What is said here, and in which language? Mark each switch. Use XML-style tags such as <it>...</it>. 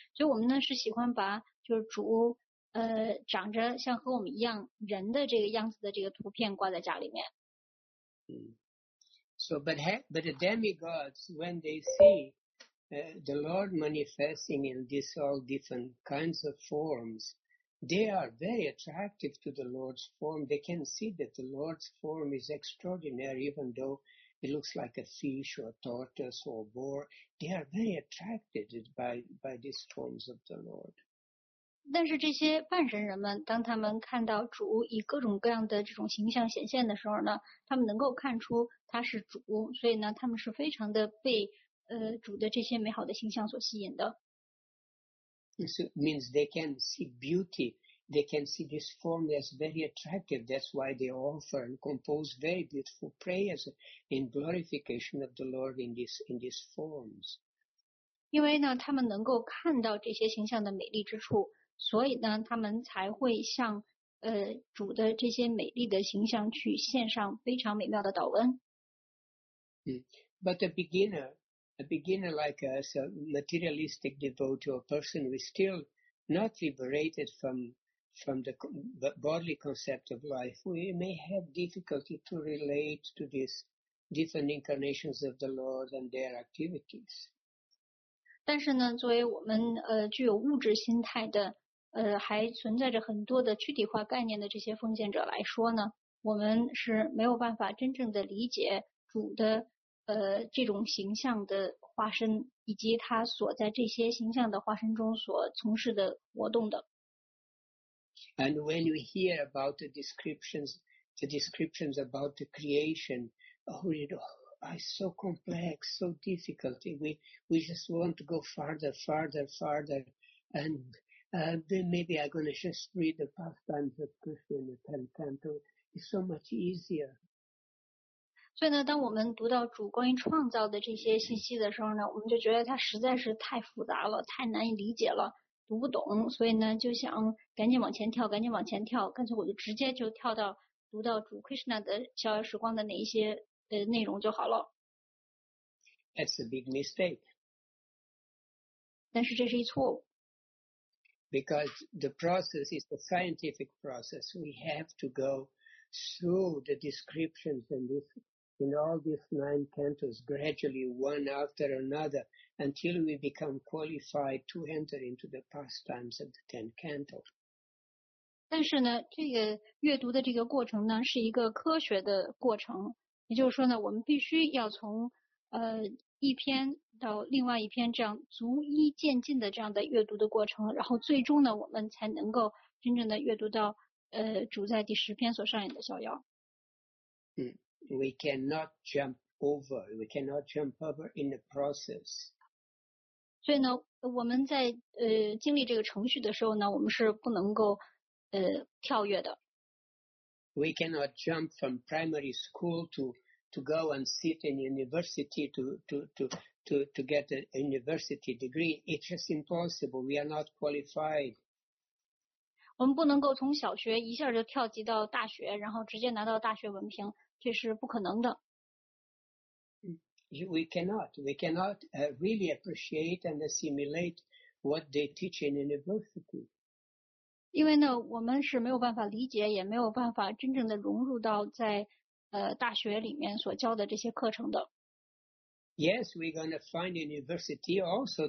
<zh>所以我们呢是喜欢把就是主长着像和我们一样人的这个样子的这个图片挂在家里面。</zh> <en>So, but the demigods, when they see the Lord manifesting in these all different kinds of forms, they are very attractive to the Lord's form. They can see that the Lord's form is extraordinary, even though it looks like a fish or a tortoise or a boar. They are very attracted by these forms of the Lord.</en> <zh>但是这些半神人们，当他们看到主以各种各样的这种形象显现的时候呢，他们能够看出他是主，所以呢，他们是非常的被主的这些美好的形象所吸引的。</zh> <en>So it means they can see beauty. they can see this form as very attractive. That's why they offer and compose very beautiful prayers in glorification of the Lord in these forms.</en> <zh>因为呢，他们能够看到这些形象的美丽之处，所以呢，他们才会向主的这些美丽的形象去献上非常美妙的祷文。</zh> <en>But a beginner like us, a materialistic devotee, a person who is still not liberated from the bodily concept of life, we may have difficulty to relate to these different incarnations of the Lord and their activities.</en> <zh>但是呢，作为我们具有物质心态的还存在着很多的躯体化概念的这些奉献者来说呢，我们是没有办法真正的理解主的这种形象的化身，以及他所在这些形象的化身中所从事的活动的。</zh> <en>And when you hear about the descriptions about the creation, oh, it's so complex, so difficult. We just want to go farther, farther, farther. And then maybe I'm going to just read the pastimes of Krishna in the 10th canto. It's so much easier.</en> <zh>所以呢，当我们读到主关于创造的这些信息的时候呢，我们就觉得它实在是太复杂了，太难以理解了，读不懂。所以呢，就想赶紧往前跳，赶紧往前跳，干脆我就直接就跳到读到主 Krishna 的逍遥时光的那一些内容就好了。</zh> <en>That's a big mistake.</en> <zh>但是这是一错误。</zh> <en>Because the process is a scientific process, we have to go through the descriptions and this. In all these 9 cantos, gradually, one after another, until we become qualified to enter into the pastimes of the 10th canto.</en> <zh>但是呢，这个阅读的这个过程呢，是一个科学的过程。也就是说呢，我们必须要从一篇到另外一篇这样逐一渐进的这样的阅读的过程，然后最终呢，我们才能够真正的阅读到主在第十篇所上演的逍遥。</zh> <en>We cannot jump over. We cannot jump over in the process.</en> <zh>所以呢，我们在经历这个程序的时候呢，我们是不能够跳跃的。</zh> <en>We cannot jump from primary school to go and sit in university to get a university degree. It's just impossible. We are not qualified.</en> <zh>我们不能够从小学一下就跳级到大学，然后直接拿到大学文凭，这是不可能的。</zh> <en>We cannot really appreciate and assimilate what they teach in university.</en> <zh>因为呢，我们是没有办法理解，也没有办法真正的融入到在大学里面所教的这些课程的。</zh> <en>Yes, we're going to find in university also.</en>